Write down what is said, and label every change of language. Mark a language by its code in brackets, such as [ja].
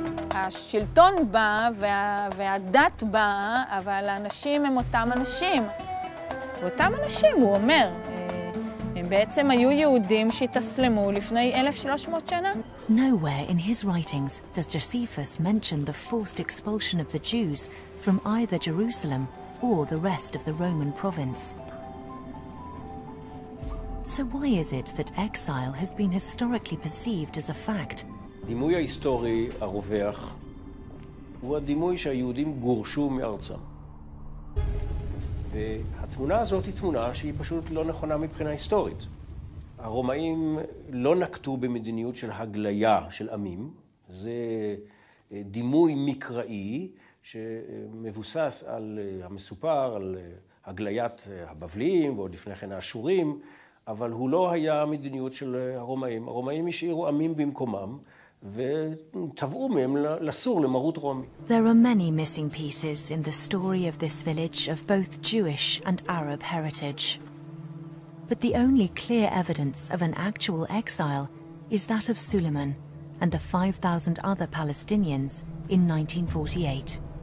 [he] השלטון בא והדת בא, אבל האנשים הם אותם אנשים. אותם אנשים, הוא אומר. הם בעצם היו יהודים שהתאסלמו לפני 1300 שנה. [en] Nowhere in his writings does Josephus mention the forced expulsion of the Jews from either Jerusalem or the rest of the Roman province. So why is it that exile has been historically perceived as a fact? [he] דימוי ההיסטורי הרווח הוא הדימוי שהיהודים גורשו מארצם. והתמונה הזאת היא תמונה שהיא פשוט לא נכונה מבחינה היסטורית. הרומאים לא נקטו במדיניות של הגליה של עמים. זה דימוי מקראי שמבוסס על המסופר, על הגליית הבבליים ועוד לפני כן האשורים, אבל הוא לא היה מדיניות של הרומאים. הרומאים השאירו עמים במקומם וטבעו מהם לסור למרות רומי. [en] There are many missing pieces in the story of this village of both Jewish and Arab heritage. But the only clear evidence of an actual exile is that of Suleiman and the 5,000 other Palestinians in 1948.